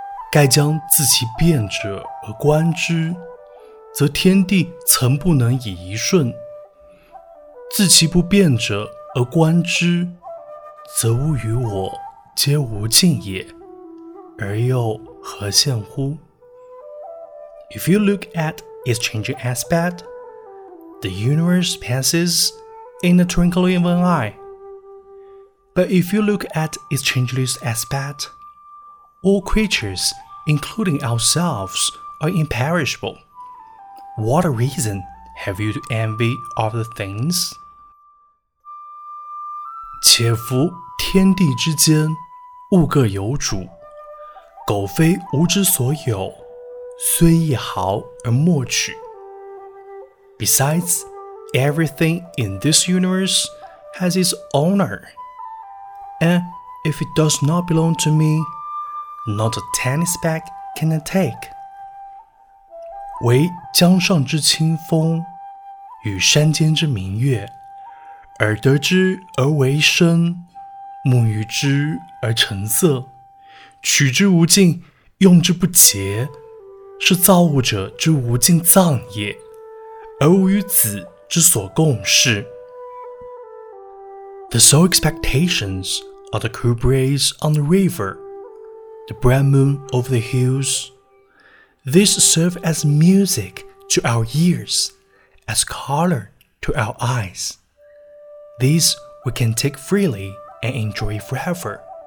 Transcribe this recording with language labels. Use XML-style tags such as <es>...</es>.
<zh>盖将自其变者而观之，则天地曾不能以一瞬；自其不变者而观之，则物与我皆无尽也，而又何限乎？</zh> <en>If you look at its changing aspect, the universe passes in the twinkling of an eye. But if you look at its changeless aspect, all creatures, including ourselves, are imperishable. What reason have you to envy other things?</en> <zh>且夫天地之间，物各有主，苟非吾之所有，虽一毫而莫取。</zh> <en>Besides, everything in this universe has its owner, and if it does not belong to me, not a tiny speck can I take.</en> <zh>唯江上之清风与山间之明月，耳得之而为声，目遇之而成色，取之无尽，用之不竭，是造物者之无尽藏也，而无与子之所共事。</zh> <en>The sole expectations are the cool breeze on the river, the bright moon over the hills. These serve as music to our ears, as color to our eyes. These we can take freely and enjoy forever.</en>